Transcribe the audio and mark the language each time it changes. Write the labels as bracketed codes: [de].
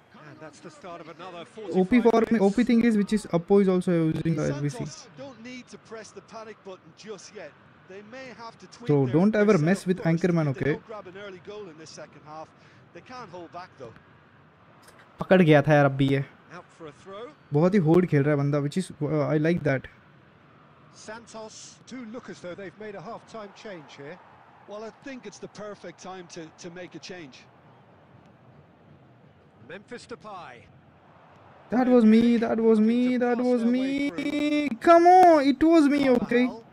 [en] And that's the start of another 45 OP for me. OP thing is, which is Oppo is also using the LBC. Don't need to press the panic button just yet. They may have to tweak. So don't ever mess with Anchorman, okay? They'll grab an early goal in this second half. They can't hold back though. [hi] पकड़ गया था यार अब ये. बहुत ही hold खेल रहा है बंदा, [en] which is I like that. Santos, do look as though they've made a half-time change here. Well, I think it's the perfect time to make a change. Memphis Depay. That was me. Come on, it was me, okay?